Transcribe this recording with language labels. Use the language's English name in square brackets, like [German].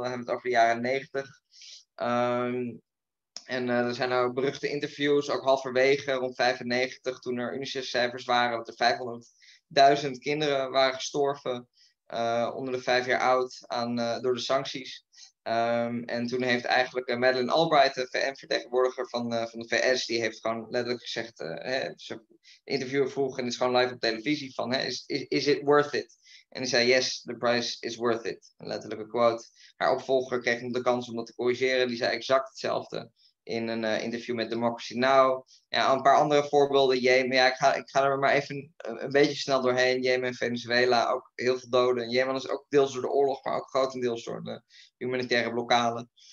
[Dutch] Dan hebben we het over de jaren 90. Er zijn ook beruchte interviews, ook halverwege rond 95, toen er UNICEF-cijfers waren, dat er 500.000 kinderen waren gestorven onder de 5 jaar oud door de sancties. En toen heeft eigenlijk Madeleine Albright, de VN-vertegenwoordiger van de VS, die heeft gewoon letterlijk gezegd, ze interviewer vroeg en is gewoon live op televisie van, is it worth it? [English] En die zei, yes, the price is worth it. [Dutch] Een letterlijke quote. Haar opvolger kreeg nog de kans om dat te corrigeren. Die zei exact hetzelfde in een interview met Democracy Now. Ja, een paar andere voorbeelden. Jemen, ja, ik ga er maar even een beetje snel doorheen. Jemen en Venezuela, ook heel veel doden. Jemen is ook deels door de oorlog, maar ook grotendeels door de humanitaire blokkade.